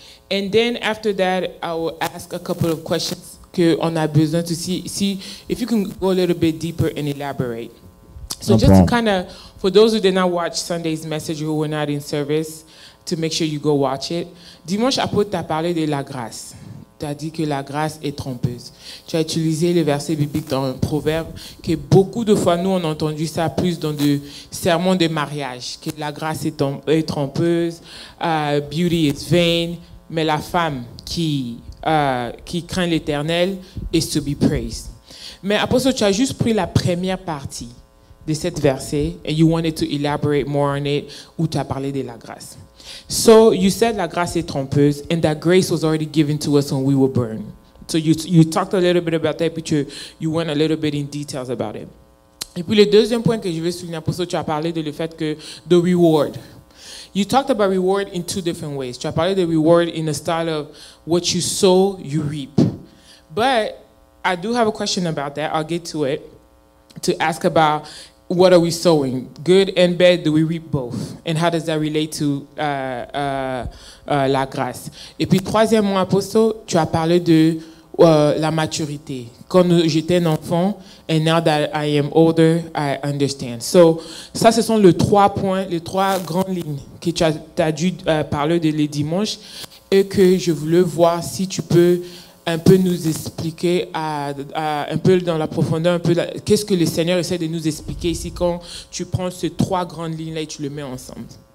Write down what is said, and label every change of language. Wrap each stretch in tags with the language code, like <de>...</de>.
<en>And then after that, I will ask a couple of questions.</en> <fr>On a besoin</fr> <en>to see if you can go a little bit deeper and elaborate. So no just problem. To kind of, for those who did not watch Sunday's message, who were not in service, to make sure you go watch it.</en> <fr>Dimanche, Apôtre, t'as parlé de la grâce. T'as dit que la grâce est trompeuse. Tu as utilisé le verset biblique dans un proverbe que beaucoup de fois, nous, on a entendu ça plus dans des sermons de mariage, que la grâce est trompeuse,</fr> <en>beauty is vain,</en> <fr>mais la femme qui craint l'Éternel</fr> <en>is to be praised.</en> <fr>Mais Apostle, tu as juste pris la première partie de cette verset</fr> <en>and you wanted to elaborate more on it</en> <fr>où tu as parlé de la grâce.</fr> <en>So you said</en> <fr>la grâce est trompeuse</fr> <en>and that grace was already given to us when we were born. So you talked a little bit about that but you went a little bit in details about it.</en> <fr>Et puis le deuxième point que je veux souligner, Apostle, tu as parlé de le fait que the reward.</fr> <en>You talked about reward in two different ways.</en> <fr>Tu as parlé de</fr> <en>reward in the style of what you sow, you reap. But I do have a question about that. I'll get to it. To ask about what are we sowing? Good and bad, do we reap both? And how does that relate to la grâce?</en> <fr>Et puis, troisièmement, Apostle, tu as parlé de la maturité. Quand j'étais un enfant,</fr> <en>and now that I am older, I understand.</en> <fr>So, ça, ce sont les trois points, les trois grandes lignes que tu as dû parler de les dimanches et que je voulais voir si tu peux un peu nous expliquer un peu dans la profondeur, un peu qu'est-ce que le Seigneur essaie de nous expliquer ici quand tu prends ces trois grandes lignes-là et tu les mets ensemble.</fr>